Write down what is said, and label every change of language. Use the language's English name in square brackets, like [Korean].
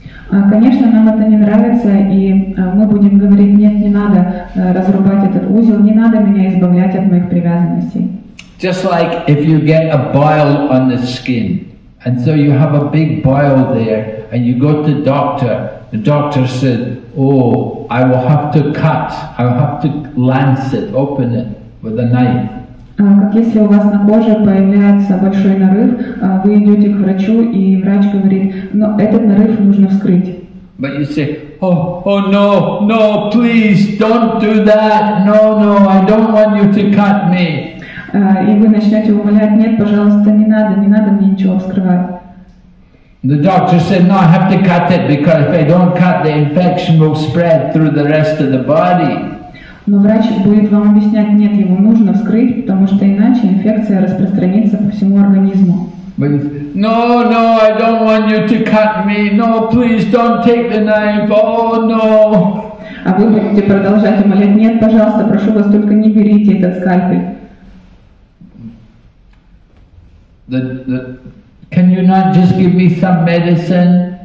[Russian] Конечно, нам это не нравится, и мы будем говорить, нет, не надо разрубать этот узел, не надо меня избавлять от моих привязанностей. [English] Just like if you get a boil on the skin, and so you have a big boil there, and you go to the doctor said, oh, I will have to cut, I will have to lance it, open it with a knife. [Russian] Как если у вас на коже появляется большой нарыв, вы идете к врачу, и врач говорит, но этот нарыв нужно вскрыть. [English] But you say, oh no, please, don't do that, no, I don't want you to cut me. [Russian] И вы начнете умолять, нет, пожалуйста, не надо мне ничего вскрывать. [English] The doctor said, no, I have to cut it, because if I don't cut, the infection will spread through the rest of the body. [Russian] Но врач будет вам объяснять, нет, его нужно вскрыть, потому что иначе инфекция распространится по всему организму. [English] No, I don't want you to cut me. No, please don't take the knife. Oh, no. [Russian] А вы будете продолжать умолять, нет, пожалуйста, прошу вас, только не берите этот скальпель. [English] Can you not just give me some medicine?